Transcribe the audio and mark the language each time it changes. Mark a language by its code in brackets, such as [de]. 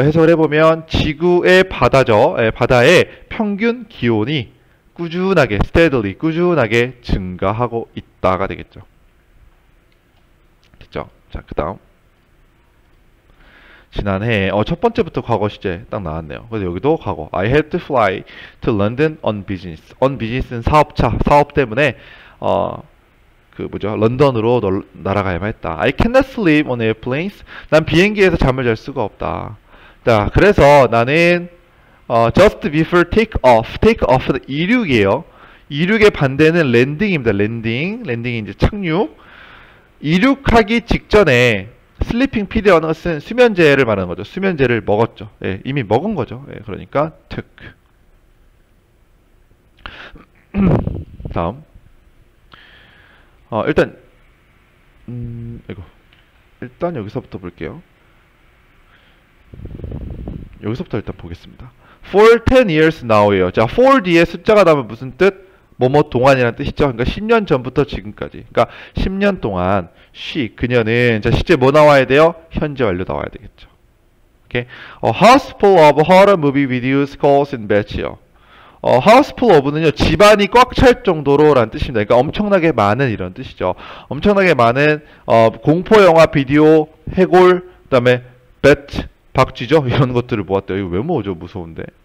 [ko] 해석을 해보면 지구의 바다죠. 예, 바다의 평균 기온이 꾸준하게 steadily 꾸준하게 증가하고 있다가 되겠죠. 됐죠? 자, 그다음. 지난해 첫 번째부터 과거 시제 딱 나왔네요. 그래서 여기도 과거. [en] I had to fly to London on business. [ko] On business는 사업차, 사업 때문에 런던으로 날아가야만 했다. [en] I cannot sleep on airplanes. [ko] 난 비행기에서 잠을 잘 수가 없다. 자, 그래서 나는 [en] just before take off. [ko] Take off는 이륙이에요. 이륙의 반대는 랜딩입니다. 랜딩. 랜딩이 이제 착륙. 이륙하기 직전에 슬리핑 피드라는 것은 수면제를 말하는 거죠. 수면제를 먹었죠. 예, 이미 먹은 거죠. 예, 그러니까 took. 다음. 일단 이거 일단 여기서부터 볼게요. 여기서부터 일단 보겠습니다. [en] For 10 years now예요. [ko] 자, for 뒤에 숫자가 나면 무슨 뜻? 뭐뭐 동안이란 뜻이죠. 그러니까 10년 전부터 지금까지. 그러니까 10년 동안 she, 그녀는 자 실제 뭐 나와야 돼요? 현재 완료 나와야 되겠죠. 오케이. [en] A house full of horror movie videos calls in batch요. House full of [ko] 는요, 집안이 꽉찰 정도로란 뜻입니다. 그러니까 엄청나게 많은 이런 뜻이죠. 엄청나게 많은 공포 영화 비디오 해골, 그다음에 bat 박쥐죠? 이런 것들을 모았대요. 이거 왜 모으죠? 무서운데.